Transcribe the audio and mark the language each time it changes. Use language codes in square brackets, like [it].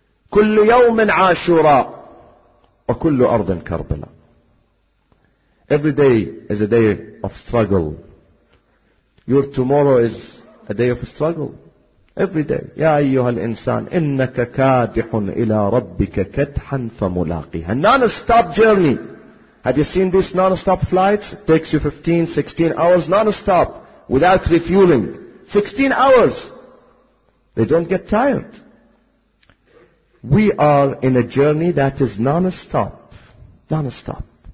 [ar] كل يوم عاشوراء وكل أرض كربلاء. [en] Every day is a day of struggle. Your tomorrow is a day of struggle. Every day. [ar] يا أيها الإنسان إنك كادح إلى ربك كدحا فملاقيها. [en] A non-stop journey. Have you seen these non-stop flights? It takes you 15, 16 hours non-stop. Without refueling. 16 hours. They don't get tired. We are in a journey that is non-stop. Non-stop.